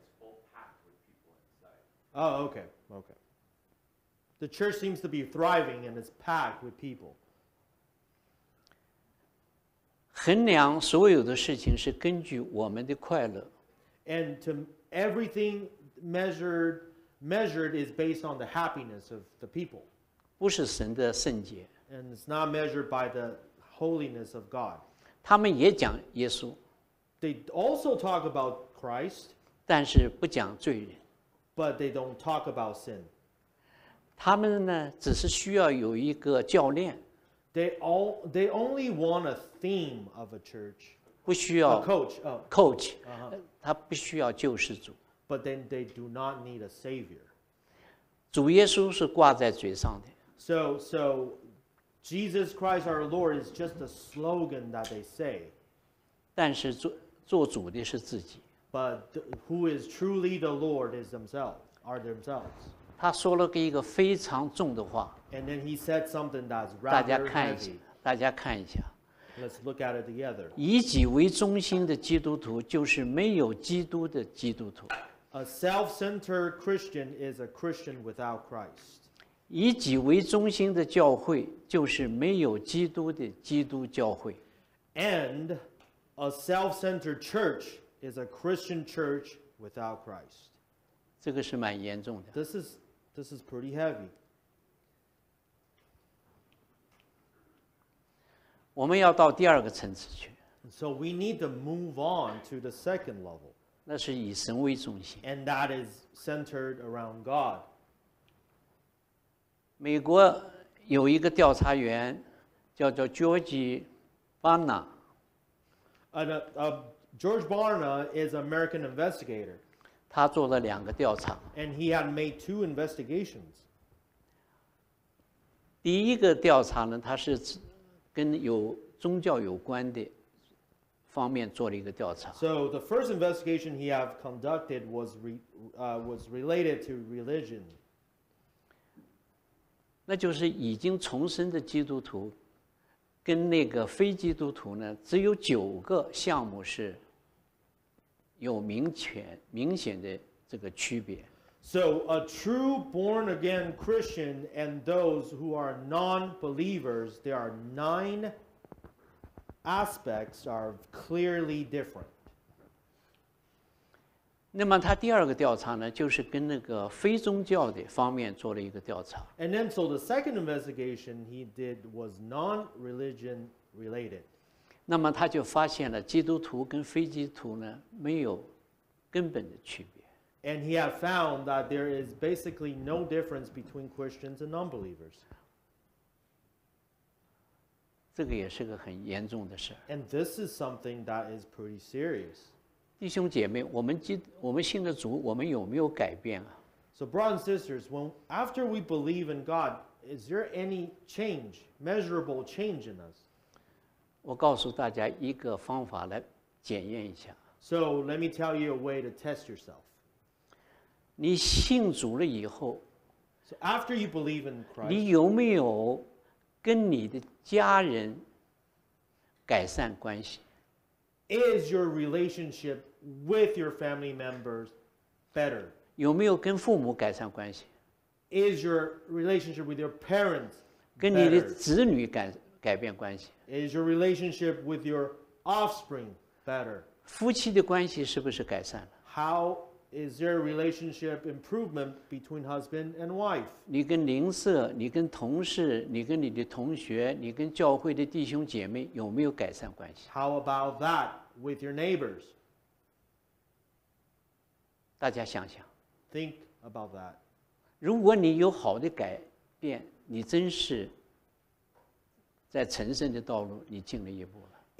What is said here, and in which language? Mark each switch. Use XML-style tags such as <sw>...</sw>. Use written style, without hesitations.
<en>Uh-huh. And it's full packed with people inside. Oh, okay. The church seems to be thriving and it's packed with people.</en> <zh>衡量所有的事情是根据我们的快乐。</zh> <en>And to everything measured is based on the happiness of the people.</en> <zh>不是神的圣洁。</zh> <en>And it's not measured by the holiness of God.</en> <zh>他们也讲耶稣。</zh> <en>They also talk about Christ.</en> <zh>但是不讲罪人。</zh> <en>But they don't talk about sin.</en> <zh>他们呢只是需要有一个教练。</zh> <en>They only want a theme of a church.</en> <zh>不需要</zh> <en>coach.</en> <zh>他不需要救世主。</zh> <en>But then they do not need a savior.</en> <zh>主耶稣是挂在嘴上的。</zh> <en>So Jesus Christ our Lord is just a slogan that they say.</en> <zh>但是做主的是自己。</zh> <en>But who is truly the Lord is themselves, are themselves.</en> <zh>他说了一个非常重的话。</zh> <en>And then he said something that's rather heavy.</en> <zh>大家看一下。</zh> <en>Let's look at it together.</en> <zh>以己为中心的基督徒就是没有基督的基督徒。</zh> <en>A self-centered Christian is a Christian without Christ.</en> <zh>以己为中心的教会就是没有基督的基督教会。</zh> <en>And a self-centered church is a Christian church without Christ.</en> <zh>这个是蛮严重的。</zh> <en>This is pretty heavy.</en> <zh>我们要到第二个层次去。</zh> <en>So we need to move on to the second level.</en> <zh>那是以神为中心。</zh> <en>And that is centered around God.</en> <zh>美国有一个调查员叫 George Barna.</zh> <en>George Barna is an American investigator.</en> <zh>他做了两个调查。</zh> <en>And he had made two investigations.</en> <zh>第一个调查呢，他是跟有宗教有关的方面做了一个调查。</zh> <en>So the first investigation he have conducted was related to religion.</en> <zh>那就是已经重生的基督徒跟那个非基督徒呢，只有九个项目是有明显的这个区别。</zh> <en>So a true born again Christian and those who are non-believers, there are 9 aspects are clearly different.</en> <zh>那么他第二个调查呢，就是跟那个非宗教的方面做了一个调查。</zh> <en>And then so the second investigation he did was non-religion related.</en> <zh>那么他就发现了基督徒跟非基督徒呢，没有根本的区别。</zh> <en>And he had found that there is basically no difference between Christians and non-believers.</en> <zh>这个也是个很严重的事。</zh> <en>And this is something that is pretty serious.</en> <zh>弟兄姐妹，我们信了主，我们有没有改变啊？</zh> <en>So brothers and sisters, when after we believe in God, is there any change, measurable change in us?</en> <zh>我告诉大家一个方法来检验一下。</zh> <en>So let me tell you a way to test yourself.</en> <zh>你信主了以后</zh> <en>so after you believe in Christ,</en> <zh>你有没有跟你的家人改善关系</zh> <en>Is your relationship with your family members better?</en> <zh>有没有跟父母改善关系</zh> <en>Is your relationship with your parents better?</en> <zh>跟你的子女改变关系</zh> <en>Is your relationship with your offspring better?</en> <zh>夫妻的关系是不是改善了</zh> <en>How? Is there a relationship improvement between husband and wife?</en> <zh>你跟邻舍，你跟同事，你跟你的同学，你跟教会的弟兄姐妹，有没有改善关系？</zh> <en>How about that with your neighbors?</en> <zh>大家想想。</zh> <en>Think about that.</en> <zh>如果你有好的改变，你真是在成圣的道路，你进了一步了。</zh>